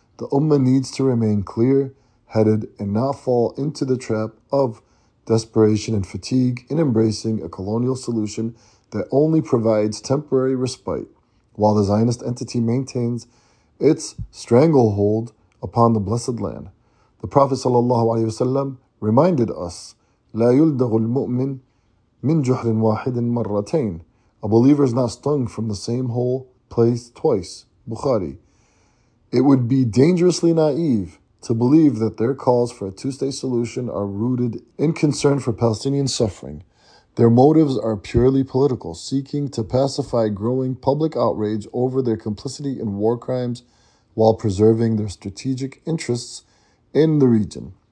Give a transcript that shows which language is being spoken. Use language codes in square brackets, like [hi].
[en] The Ummah needs to remain clear-headed and not fall into the trap of desperation and fatigue in embracing a colonial solution that only provides temporary respite, while the Zionist entity maintains its stranglehold upon the blessed land. The Prophet ﷺ reminded us, [ar] لا يلدغ المؤمن من جحر واحد مرتين. [en] A believer is not stung from the same hole place twice. Bukhari. It would be dangerously naive to believe that their calls for a two-state solution are rooted in concern for Palestinian suffering. Their motives are purely political, seeking to pacify growing public outrage over their complicity in war crimes while preserving their strategic interests in the region.